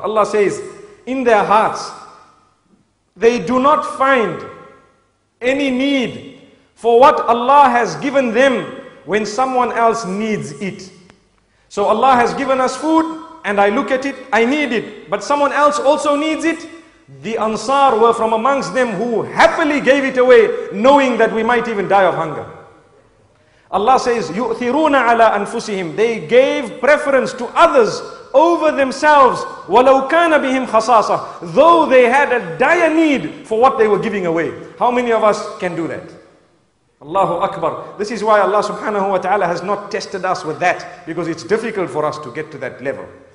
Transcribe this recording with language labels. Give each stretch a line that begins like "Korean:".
English: Allah says, in their hearts, they do not find any need for what Allah has given them when someone else needs it. So Allah has given us food and I look at it, I need it, but someone else also needs it. The Ansar were from amongst them who happily gave it away, knowing that we might even die of hunger.
Arabic: Allah says, يُؤْثِرُونَ عَلَىٰ أَنفُسِهِمْ.
English: They gave preference to others over themselves.
Arabic: وَلَوْ كَانَ بِهِمْ خَصَاصَةً.
English: Though they had a dire need for what they were giving away. How many of us can do that? Allahu Akbar. This is why Allah subhanahu wa ta'ala has not tested us with that, because it's difficult for us to get to that level.